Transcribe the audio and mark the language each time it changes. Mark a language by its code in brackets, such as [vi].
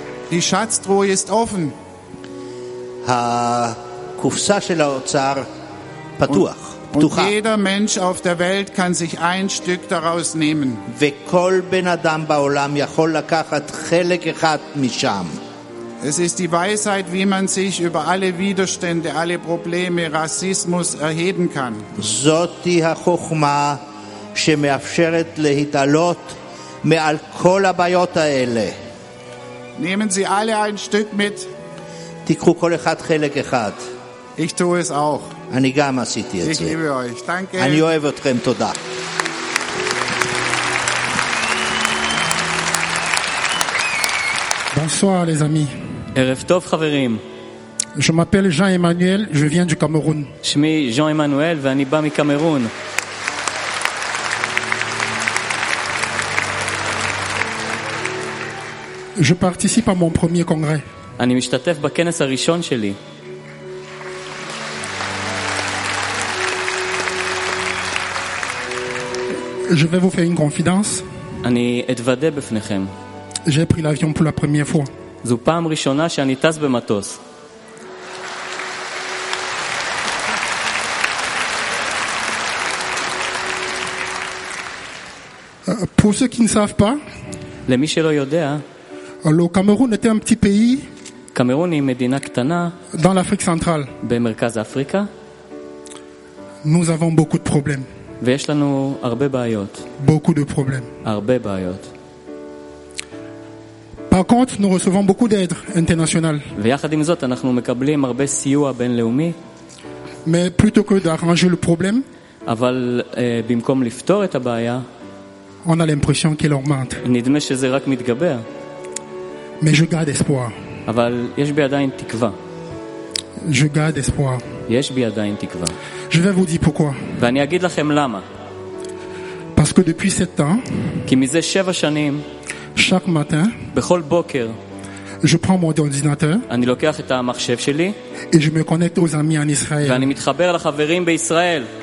[de] Die Schatztruhe ist offen. [he] הקופסה של האוצר פתוח. [de] Und jeder Mensch auf der Welt kann sich ein Stück daraus nehmen. [he] וכל בן אדם בעולם יכול לקחת חלק אחד משם. [de] Es ist die Weisheit, wie man sich über alle Widerstände, alle Probleme, Rassismus erheben kann. [he] זאת החוכמה שמאפשרת להתעלות מעל כל הבעיות האלה. [de] Nehmen Sie alle ein Stück mit. [he] תיקחו כל אחד חלק אחד. [de] Ich tue es auch. [he] אני גם עשיתי את זה. [de] Ich liebe euch. Danke. [he] אני אוהב אתכם. תודה. [fr] Bonsoir les amis. [he] ערב טוב חברים. [fr] Je m'appelle Jean-Emmanuel, je viens du Cameroun. [he] שמי Jean-Emmanuel ואני בא מקמרון. [fr] Je participe à mon premier congrès. [he] אני משתתף בכנס הראשון שלי. [fr] Je vais vous faire une confidence. [he] אני אתוודה בפניכם. [fr] J'ai pris l'avion pour la première fois. [he] זו פעם ראשונה שאני טס במטוס. [fr] Pour ceux qui ne savent pas, [he] למי שלא יודע, [fr] le Cameroun était un petit pays. [he] קמרון היא מדינה קטנה. [fr] Dans l'Afrique centrale. [he] במרכז אפריקה. [fr] Nous avons beaucoup de problèmes. [he] ויש לנו הרבה בעיות. [fr] Beaucoup de problèmes. [he] הרבה בעיות. [fr] Par contre, nous recevons beaucoup d'aide internationale. [he] ויחד עם זאת אנחנו מקבלים הרבה סיוע בינלאומי. [fr] Mais plutôt que d'arranger le problème, [he] אבל במקום לפתור את הבעיה, [fr] on a l'impression qu'il augmente. [he] נדמה שזה רק מתגבר. [fr] Mais je garde espoir. [he] אבל יש בי עדיין תקווה. [fr] Je garde espoir. [he] יש בי עדיין תקווה. [fr] Je vais vous dire pourquoi. [he] ואני אגיד לכם למה. [fr] Parce que depuis 7 ans, [he] כי מזה 7 שנים, [fr] chaque matin, [he] בכל בוקר, [fr] je prends mon ordinateur, [he] אני לוקח את המחשב שלי, [fr] et je me connecte aux amis en Israël. [he] ואני מתחבר לחברים בישראל.